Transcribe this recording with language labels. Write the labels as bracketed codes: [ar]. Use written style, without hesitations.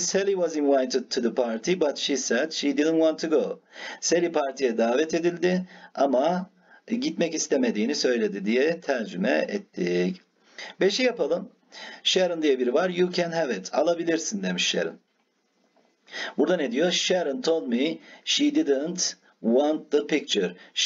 [en] Sally was invited to the party but she said she didn't want to go. [tr] Sally partiye davet edildi ama gitmek istemediğini söyledi diye tercüme ettik. Beşi yapalım. Sharon diye biri var. [en] You can have it. [tr] Alabilirsin demiş Sharon. Burada ne diyor? [en] Sharon told me she didn't want the picture.